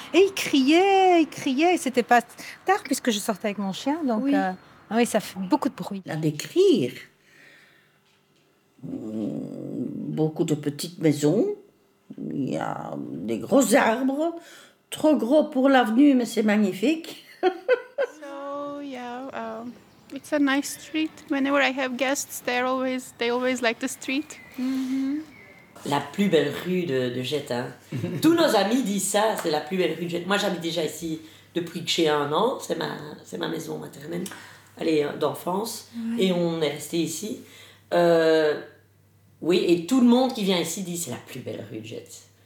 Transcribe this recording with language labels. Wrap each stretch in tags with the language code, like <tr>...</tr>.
<fr>Et il criait. Et ce n'était pas tard puisque je sortais avec mon chien. Donc, oui. Oui, ça fait beaucoup de bruit. À décrire, beaucoup de petites maisons. Il y a des gros arbres. Trop gros pour l'avenue, mais c'est magnifique.</fr> <en>So, yeah, it's a nice street. Whenever I have guests, they always like the street.</en> <fr>La plus belle rue de Jette. Hein. Tous nos amis disent ça, c'est la plus belle rue de Jette. Moi, j'habite déjà ici depuis que j'ai un an. C'est ma maison maternelle. Elle est d'enfance. Oui. Et on est resté ici. Oui, et tout le monde qui vient ici dit c'est la plus belle rue de Jette.</fr>